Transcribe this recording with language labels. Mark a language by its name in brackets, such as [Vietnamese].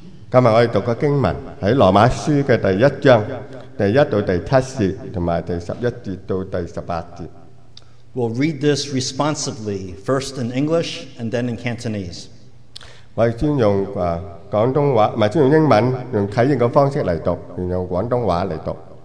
[Chinese] 今天我们读的经文在罗马书的第一章第一到第七节和第十一节到第十八节。 [English] We'll read this responsively, first in English and then in Cantonese. [Chinese] 我先用英文用啟應的方式來讀，然後用廣東話來讀。